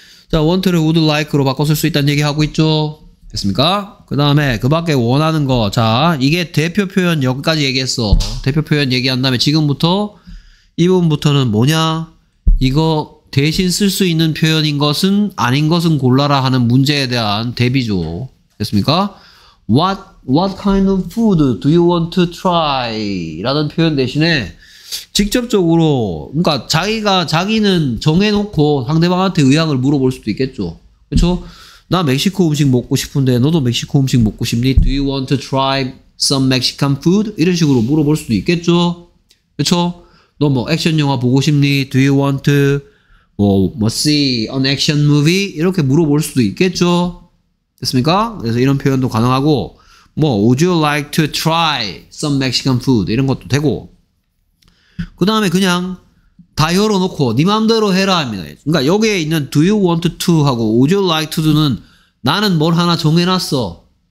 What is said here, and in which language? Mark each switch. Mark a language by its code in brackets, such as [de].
[ko] 자, want를 would like로 바꿔 쓸 수 있다는 얘기 하고 있죠. 됐습니까? 그 다음에 그 밖에 원하는 거. 자, 이게 대표 표현 여기까지 얘기했어. 대표 표현 얘기한 다음에 지금부터 이 부분부터는 뭐냐? 이거 대신 쓸 수 있는 표현인 것은 아닌 것은 골라라 하는 문제에 대한 대비죠. 됐습니까? [en] What kind of food do you want to try? [ko] 라는 표현 대신에 직접적으로, 그러니까 자기는 정해놓고 상대방한테 의향을 물어볼 수도 있겠죠. 그렇죠? 나 멕시코 음식 먹고 싶은데 너도 멕시코 음식 먹고 싶니? [en] Do you want to try some Mexican food? [ko] 이런 식으로 물어볼 수도 있겠죠. 그렇죠? 너 뭐 액션 영화 보고 싶니? [en] Do you want to 뭐 see an action movie? [ko] 이렇게 물어볼 수도 있겠죠. 됐습니까? 그래서 이런 표현도 가능하고 뭐 [en] Would you like to try some Mexican food? [ko] 이런 것도 되고 그 다음에 그냥 다 열어놓고 네 마음대로 해라 합니다. 그러니까 여기에 있는 [en] Do you want to [ko] 하고 [en] Would you like to do [ko] 는 나는 뭘 하나 정해놨어.